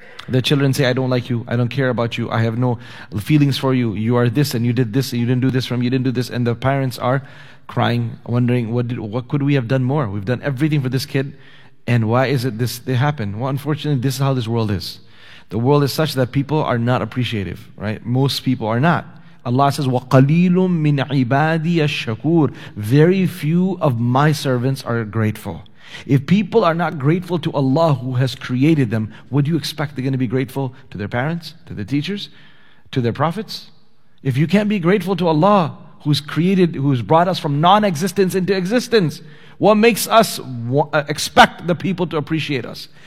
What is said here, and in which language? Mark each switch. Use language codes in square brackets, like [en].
[en] The children say, "I don't like you. I don't care about you. I have no feelings for you. You are this and you did this and you didn't do this for me. You didn't do this." And the parents are crying, wondering, what could we have done more? We've done everything for this kid. And why is it this they happen? Well, unfortunately, this is how this world is. The world is such that people are not appreciative, right? Most people are not. Allah says, [ar] وَقَلِيلٌ مِّنْ عِبَادِيَ الشَّكُورِ. [en] Very few of my servants are grateful. If people are not grateful to Allah who has created them, would you expect they're going to be grateful to their parents, to their teachers, to their prophets? If you can't be grateful to Allah who's created, who's brought us from non-existence into existence, what makes us expect the people to appreciate us?